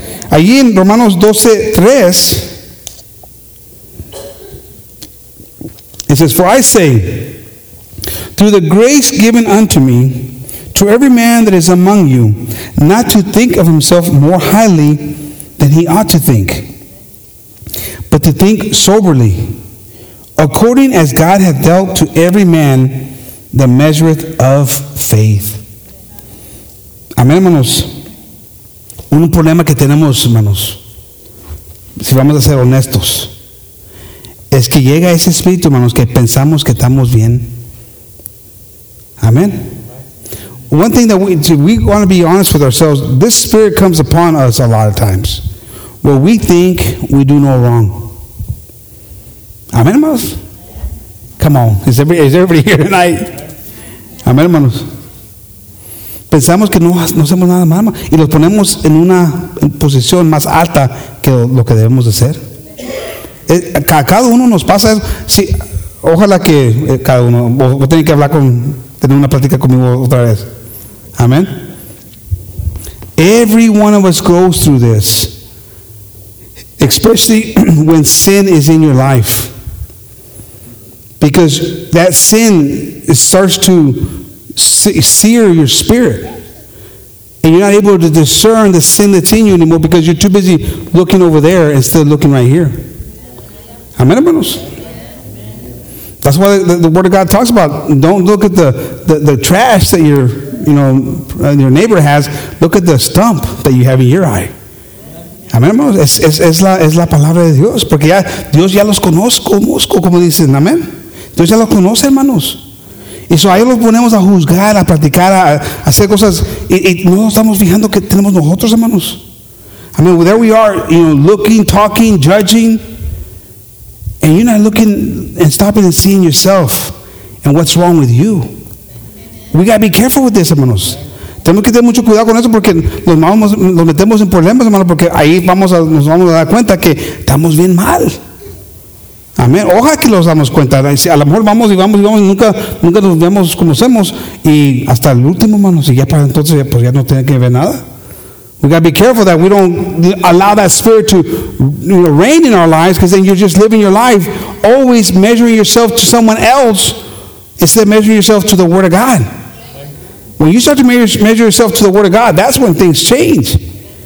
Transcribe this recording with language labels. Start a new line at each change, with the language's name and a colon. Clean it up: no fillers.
Spanish: Allí en Romanos 12:3
English: it says, "For I say, through the grace given unto me, to every man that is among you, not to think of himself more highly than he ought to think, but to think soberly, according as God hath dealt to every man the measure of faith."
Spanish: Amén, hermanos. Un problema que tenemos, hermanos, si vamos a ser honestos, es que llega ese espíritu, hermanos, que pensamos que estamos bien. Amén.
English: One thing that we want to be honest with ourselves, this spirit comes upon us a lot of times where we think we do no wrong.
Spanish: Amén, hermanos.
English: Come on, is everybody here tonight? Amén, hermanos.
Spanish: Pensamos que no hacemos nada mal, y lo ponemos en una posición más alta que lo que debemos de ser. Cada uno nos pasa eso. Sí, ojalá que cada uno, vos tenés que hablar con, tener una plática conmigo otra vez. Amén.
English: Every one of us goes through this, especially when sin is in your life, because that sin starts to sear your spirit, and you're not able to discern the sin that's in you anymore because you're too busy looking over there instead of looking right here. Amen, hermanos. That's why the Word of God talks about, don't look at the trash that your neighbor has. Look at the stump that you have in your eye. Amen, hermanos.
Spanish: Es la palabra de Dios, porque ya Dios ya los conozco, como dicen. Amen. Dios ya los conoce, hermanos. Y eso, ahí los ponemos a juzgar, a platicar, a hacer cosas, y no estamos fijando que tenemos nosotros, hermanos.
English: I mean, there we are, looking, talking, judging, and you're not looking and stopping and seeing yourself and what's wrong with you. We got to be careful with this, hermanos.
Spanish: Tenemos que tener mucho cuidado con eso, porque los metemos en problemas, hermanos, porque ahí nos vamos a dar cuenta que estamos bien mal. Amén. Ojalá que los damos cuenta. A lo mejor vamos y nunca nos vemos, conocemos, y hasta el último, hermano, si ya para entonces pues ya no tiene que ver nada.
English: We gotta be careful that we don't allow that spirit to reign in our lives, because then you're just living your life always measuring yourself to someone else instead of measuring yourself to the Word of God. When you start to measure yourself to the Word of God, that's when things change.